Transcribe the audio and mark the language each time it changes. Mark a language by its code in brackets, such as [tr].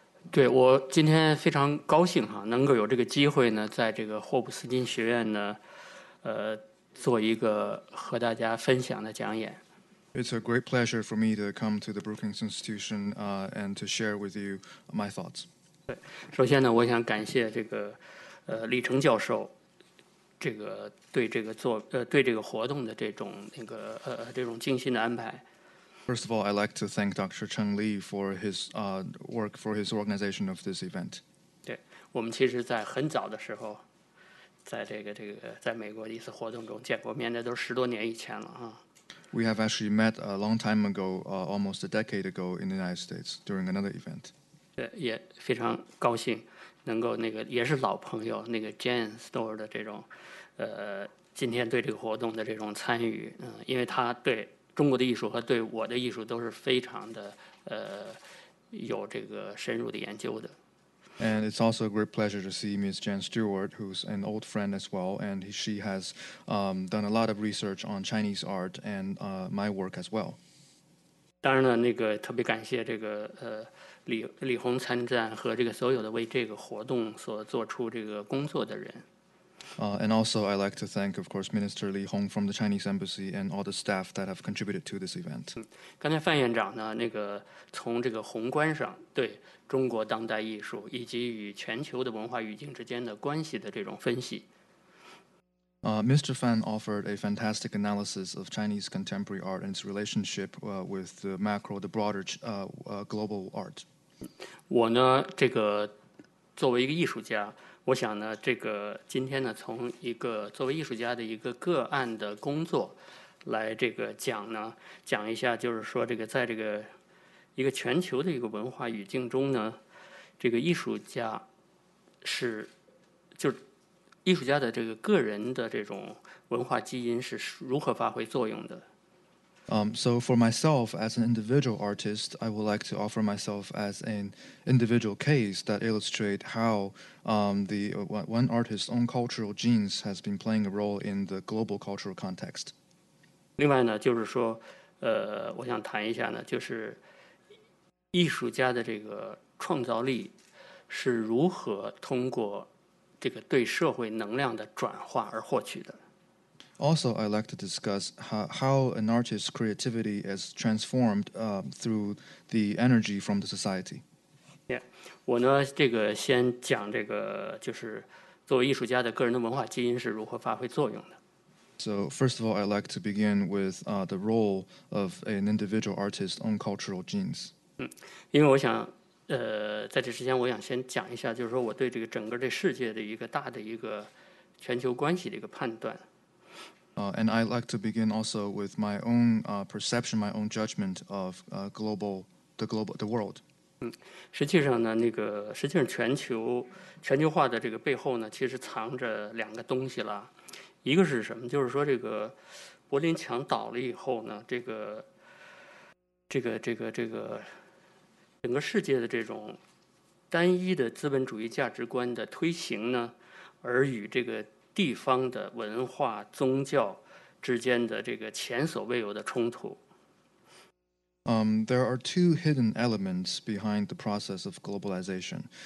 [zh] 对，我今天非常高兴能够有这个机会呢，在这个霍普斯金学院呢，做一个和大家分享的讲演。 [en] It's a great pleasure for me to come to the Brookings Institution, and to share with you my thoughts. [zh] 对，首先呢，我想感谢这个李成教授，这个对这个对这个活动的这种那个这种精心的安排。 [en] First of all, I'd like to thank Dr. Cheng Li for his work, for his organization of this event. [zh] 对，我们其实在很早的时候，在在美国一次活动中见过面，那都十多年以前了。 [en] We have actually met a long time ago, almost a decade ago in the United States during another event. [zh] 对，也非常高兴能够也是老朋友那个 Jane Store 的这种今天对这个活动的这种参与，因为他对中国的艺术和对我的艺术都是非常的有这个深入的研究的。 [en] And it's also a great pleasure to see Ms. Jan Stewart, who's an old friend as well, and she has done a lot of research on Chinese art and my work as well. [zh] 当然了，那个特别感谢这个李红参赞和这个所有的为这个活动所做出这个工作的人。 [en] And also, I'd like to thank, of course, Minister Li Hong from the Chinese Embassy and all the staff that have contributed to this event. [zh] 刚才范院长呢，那个从这个宏观上对中国当代艺术以及与全球的文化语境之间的关系的这种分析。 [en] Mr. Fan offered a fantastic analysis of Chinese contemporary art and its relationship with the macro, the broader global art. [zh] 我呢，这个作为一个艺术家。我想呢，这个今天呢，从一个作为艺术家的一个个案的工作来这个讲呢，讲一下，就是说这个在这个一个全球的一个文化语境中呢，这个艺术家是就是艺术家的这个个人的这种文化基因是如何发挥作用的。 [en] So for myself as an individual artist, I would like to offer myself as an individual case that illustrates how the one artist's own cultural genes has been playing a role in the global cultural context. [zh] 另外呢，就是说，我想谈一下呢，就是艺术家的这个创造力是如何通过这个对社会能量的转化而获取的。 [en] Also, I'd like to discuss how an artist's creativity is transformed through the energy from the society. [zh] Yeah, 我呢，这个先讲这个，就是作为艺术家的个人的文化基因是如何发挥作用的。 [en] So, first of all, I'd like to begin with the role of an individual artist's own cultural genes. [zh] 因为我想，在这之前，我想先讲一下，就是说我对这个整个这世界的一个大的一个全球关系的一个判断。 [en] And I'd like to begin also with my own perception, my own judgment of the world. [zh] 实际上呢，那个实际上全球化的这个背后呢，其实藏着两个东西了。一个是什么？就是说这个柏林墙倒了以后呢，这个整个世界的这种单一的资本主义价值观的推行呢，而与这个地方的文化宗教之间的这个前所未有的冲突。 [en] There are two hidden elements behind the process of globalization.